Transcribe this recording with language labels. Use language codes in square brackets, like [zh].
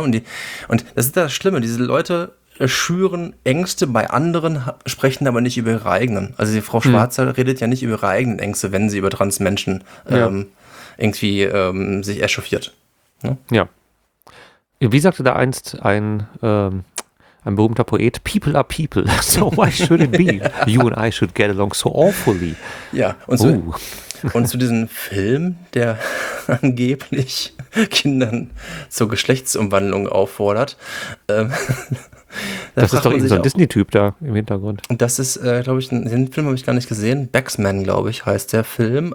[de] Und das ist das Schlimme, diese Leute schüren Ängste bei anderen, sprechen aber nicht über ihre eigenen. Also die Frau Schwarzer redet ja nicht über ihre eigenen Ängste, wenn sie über Transmenschen irgendwie sich echauffiert. Ne? Ja. Wie sagte da einst ein berühmter Poet, [en] people are people, so why should it be? You and I should get along so awfully. [de] Ja, und so. Und zu diesem Film, der angeblich Kindern zur Geschlechtsumwandlung auffordert. Das ist doch eben so ein Disney-Typ da im Hintergrund. Und das ist, glaube ich, den Film habe ich gar nicht gesehen. Baxman, glaube ich, heißt der Film.